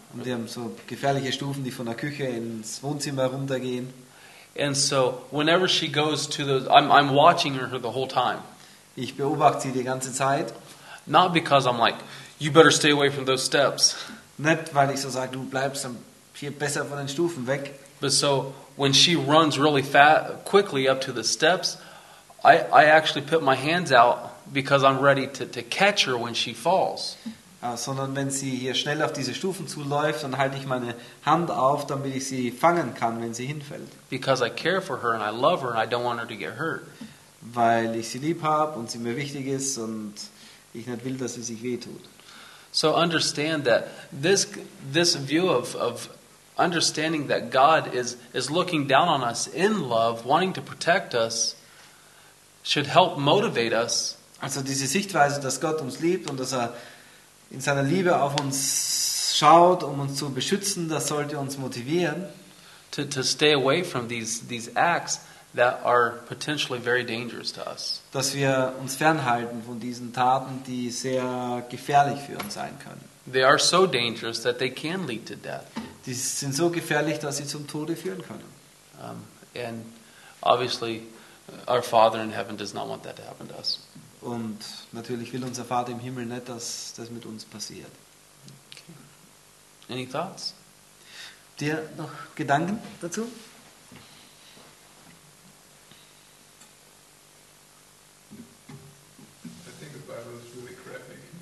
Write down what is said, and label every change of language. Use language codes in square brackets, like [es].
[de] Und wir haben so gefährliche Stufen, die von der Küche ins Wohnzimmer runtergehen. [en] And so whenever she goes to I'm watching her the whole time. [de] Ich beobachte sie die ganze Zeit. [en] Not because I'm like, you better stay away from those steps. [de] Nicht weil ich so sage, du bleibst hier besser von den Stufen weg. [en] But so when she runs really fast, quickly up to the steps, I actually put my hands out because I'm ready to catch her when she falls. [de] Sondern wenn sie hier schnell auf diese Stufen zuläuft, dann halte ich meine Hand auf, damit ich sie fangen kann, wenn sie hinfällt. [en] Because I care for her and I love her and I don't want her to get hurt. [de] Weil ich sie lieb habe und sie mir wichtig ist und ich nicht will, dass sie sich wehtut. [en] So understand that this view of understanding that God is looking down on us in love, wanting to protect us, should help motivate us. [de] Also diese Sichtweise, dass Gott uns liebt und dass er in seiner Liebe auf uns schaut, um uns zu beschützen, das sollte uns motivieren, [en] to stay away from these acts that are potentially very dangerous to us. [de] Dass wir uns fernhalten von diesen Taten, die sehr gefährlich für uns sein können. [en] They are so dangerous that they can lead to death. [de] Die sind so gefährlich, dass sie zum Tode führen können. [en] And obviously our Father in heaven does not want that to happen to us. [de] Und natürlich will unser Vater im Himmel nicht, dass das mit uns passiert. [en] Okay. Any thoughts? [de] Dir noch Gedanken dazu? [en] I think the Bible is really graphic.